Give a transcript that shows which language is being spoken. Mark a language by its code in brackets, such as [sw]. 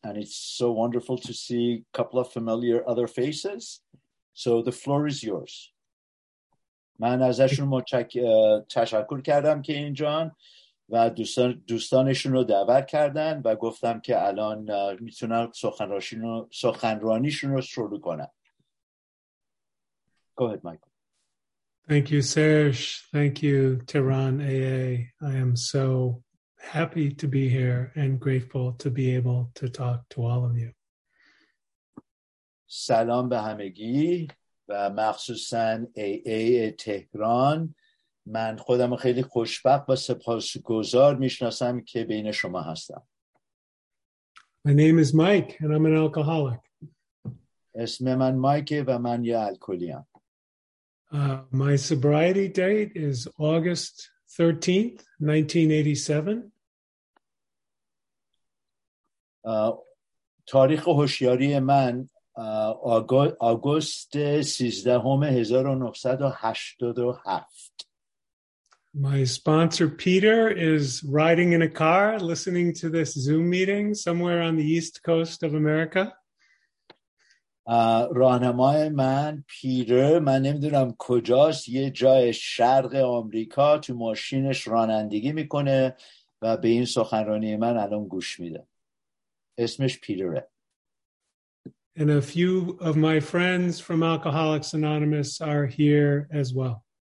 [en] And it's so wonderful to see a couple of familiar other faces. So the floor is yours. [fa] من ازشون تشکر کردم که اینجان و دوستانشون رو دعوت کردن و گفتم که الان میتونن سخنرانیشون رو شروع کنن. [en] Go ahead, Michael. Thank you, Serge. Thank you, Tehran AA. I am so happy to be here and grateful to be able to talk to all of you. [fa] سلام به همگی و مخصوصاً AA تهران. من خودم خیلی خوشبخت و سپاسگزار میشناسم که بین شما هستم. [en] My name is Mike and I'm an alcoholic. [fa] اسم من مایکه و من یه الکلیم. [en] My sobriety date is August 13th, 1987. [fa] تاریخ هوشیاری من آگوست 13th, 1987. [en] My sponsor Peter is riding in a car listening to this Zoom meeting somewhere on the east coast of America. [fa] راهنمای من پیتر، من نمیدونم کجاست، یه جای شرق آمریکا تو ماشینش رانندگی میکنه و به این سخنرانی من الان گوش میده. اسمش پیتره. [en] And a few of my friends from Alcoholics Anonymous are here as well.